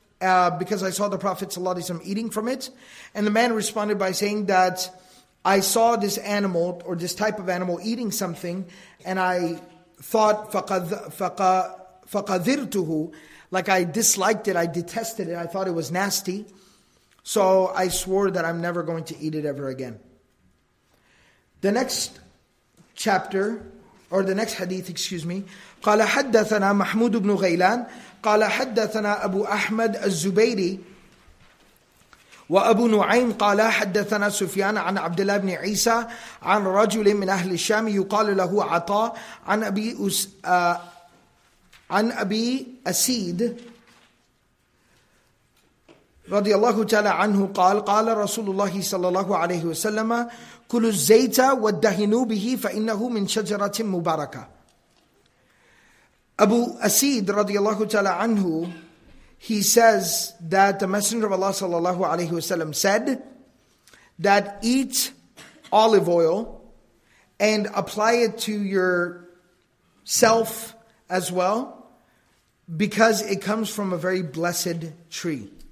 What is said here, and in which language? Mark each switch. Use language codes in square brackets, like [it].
[en] Because I saw the Prophet ﷺ eating from it. And the man responded by saying that I saw this animal or this type of animal eating something and I thought فَقَذِرْتُهُ like I disliked it, I detested it, I thought it was nasty. So I swore that I'm never going to eat it ever again. The next chapter, or the next hadith, excuse me, [ar] قَالَ حَدَّثَنَا مَحْمُودُ بْنُ غَيْلَانَ قال حدثنا أبو أحمد الزبيري وأبو نعيم قال حدثنا سفيان عن عبد الله بن عيسى عن رجل من أهل الشام يقال له عطاء عن أبي أسيد رضي الله تعالى عنه قال قال رسول الله صلى الله عليه وسلم كل الزيت والدهنوا به فإنه من شجرة مباركة. [en] Abu Asid radiallahu ta'ala anhu, he says that the Messenger of Allah sallallahu alayhi wa sallam said that eat olive oil and apply it to yourself as well because it comes from a very blessed tree.